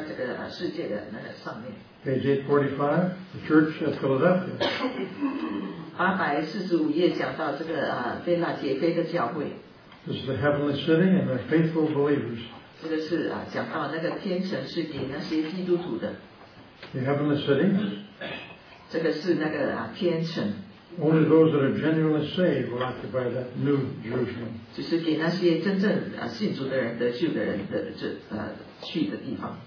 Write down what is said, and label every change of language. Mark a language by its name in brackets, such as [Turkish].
[Chinese] 就是在这个时间，就在这个世界的那个上面。 [English] Page 845, the church at Philadelphia. [Chinese] 845页讲到这个腓立比的教会。 [English] This is the heavenly city and the faithful believers. [Chinese] 这个是讲到那个天城是给那些基督徒的。 [English] The heavenly city. [Chinese] 这个是那个天城。 [English] Only those that are genuinely saved will occupy that new Jerusalem. [Chinese] 就是给那些真正信主的人得救的人得去的地方。